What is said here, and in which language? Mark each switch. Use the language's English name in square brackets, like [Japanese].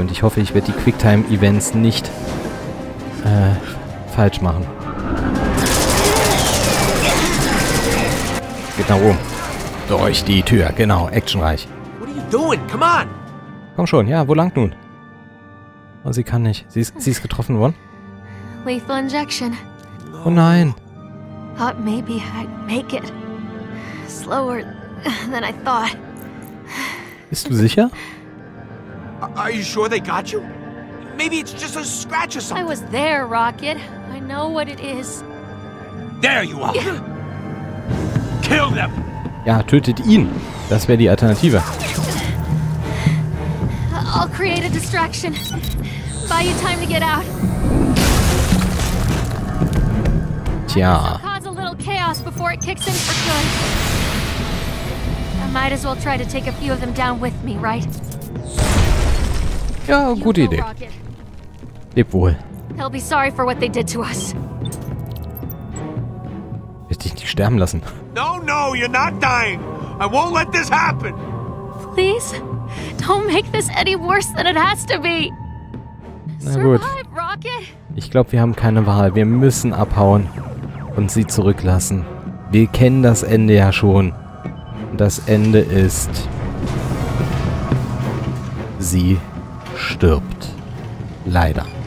[German] Und ich hoffe, ich werde die Quicktime-Events nicht falsch machen. Geht nach oben. Durch die Tür. Genau. Actionreich. Komm schon, ja, wo lang nun? Oh, sie kann nicht. Sie ist getroffen worden. [English] Lethal injection. [German] Oh nein. [English] Thought maybe I'd make it. Slower than I thought. [German] Bist du sicher? [English] Are you sure they got you? Maybe it's just a scratch or something. I was there, Rocket. I know what it is. There you are. Kill them. [German] Ja, tötet ihn. Das wäre die Alternative. [English] I'll create a distraction. Buy you time to get out. [German] Tja. [English] Cause a little chaos before it kicks in for good. I might as well try to take a few of them down with me, right? [German] Ja, gute Idee. Leb wohl. [English] They'll be sorry for what they did to us. [German] Wird dich nicht sterben lassen. [English] No, no, you're not dying. I won't let this happen. Please. Don't make this any worse than it has to be. [German] Na gut. Ich glaube, wir haben keine Wahl. Wir müssen abhauen und sie zurücklassen. Wir kennen das Ende ja schon. Das Ende ist, sie stirbt. Leider.